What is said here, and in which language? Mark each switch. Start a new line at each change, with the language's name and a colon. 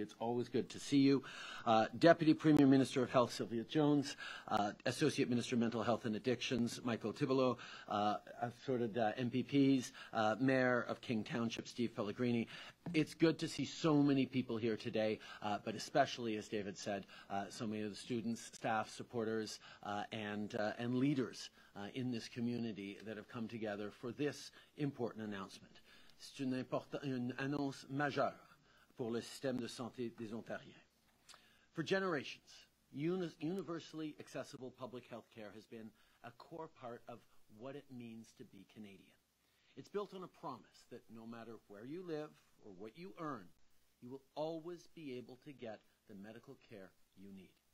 English: It's always good to see you. Deputy Premier Minister of Health, Sylvia Jones, Associate Minister of Mental Health and Addictions, Michael Tibolo, assorted MPPs, Mayor of King Township, Steve Pellegrini. It's good to see so many people here today, but especially, as David said, so many of the students, staff, supporters, and leaders in this community that have come together for this important announcement.
French: C'est une annonce majeure pour le système de santé des Ontariens.
English: For generations, universally accessible public health care has been a core part of what it means to be Canadian. It's built on a promise that no matter where you live or what you earn, you will always be able to get the medical care you need.